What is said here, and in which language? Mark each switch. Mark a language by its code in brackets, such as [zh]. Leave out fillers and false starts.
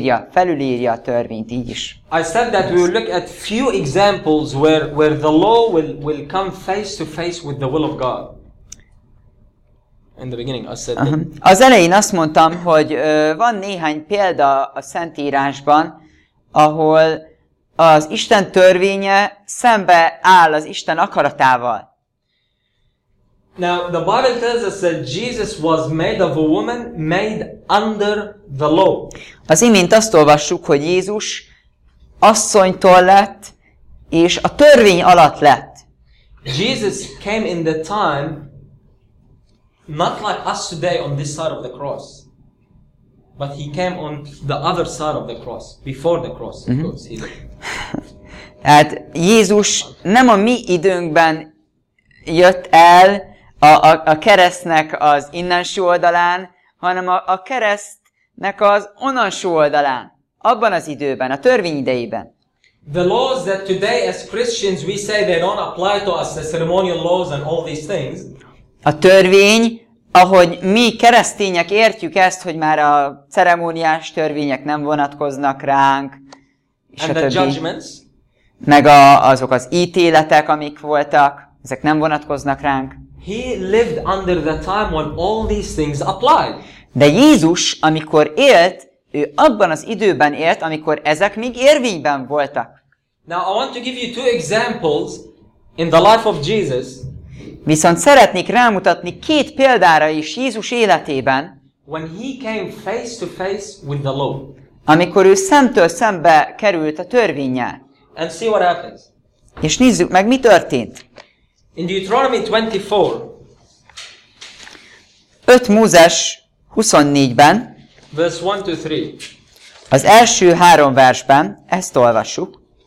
[hu] felülírja a törvényt, így is. [en] I said that we will look at few examples where the law will come face to face with the will of God. In the beginning, I said. [hu] Az elején azt mondtam, hogy van néhány példa a Szentírásban, ahol az Isten törvénye szembe áll az Isten akaratával. [en] Now the Bible tells us that Jesus was made of a woman made under the law. [hu] Az imént azt olvassuk, hogy Jézus asszonytól lett és a törvény alatt lett. [en] Jesus came in the time not like us today on this side of the cross. But he came on the other side of the cross, before the cross, of course. [hu] Tehát Jézus nem a mi időnkben jött el a keresztnek az innenső oldalán, hanem a keresztnek az onnanső oldalán, abban az időben, a törvény idejében. [en] The laws that today as Christians we say they don't apply to us, the ceremonial laws and all these things. [hu] A törvény, ahogy mi keresztények értjük ezt, hogy már a ceremóniás törvények nem vonatkoznak ránk, és [en] and [hu] a többi, [en] judgments. [hu] Meg azok az ítéletek, amik voltak, ezek nem vonatkoznak ránk. [en] He lived under the time when all these things applied. [hu] De Jézus, amikor élt, ő abban az időben élt, amikor ezek még érvényben voltak. [en] Now I want to give you two examples in the life of Jesus. [hu] Viszont szeretnék rámutatni két példára is Jézus életében. [en] When he came face to face with the law. [hu] Amikor ő szemtől szembe került a törvénnyel. [en] And see what happens. [hu] És nézzük meg, mi történt. [en] In Deuteronomy 24. [hu] 5 Mózes 24-ben. [en] Verse 1-3. [hu] Az első három versben ezt olvassuk.